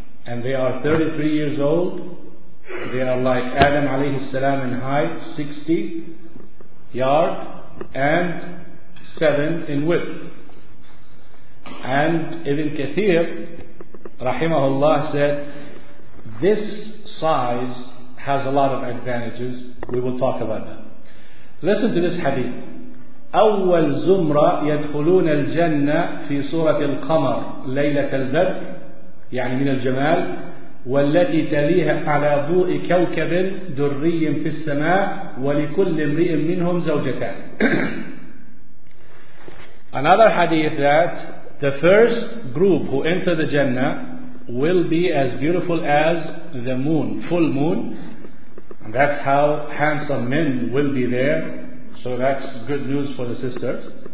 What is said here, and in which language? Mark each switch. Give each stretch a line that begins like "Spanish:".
English: And they are 33 years old. They are like Adam alayhi salam in height, 60 yard, and 7 in width. And Ibn Kathir rahimahullah said this size has a lot of advantages. We will talk about that. Listen to this hadith.
Arabic: أول زمرة يدخلون الجنة في سورة القمر ليلة البدر يعني من الجمال والتي تليها على ضوء كوكب دري في السماء ولكل امرئ منهم زوجتان.
English: Another hadith that the first group who enter the Jannah will be as beautiful as the moon, full moon, And that's how handsome men will be there. So that's good news for the sisters.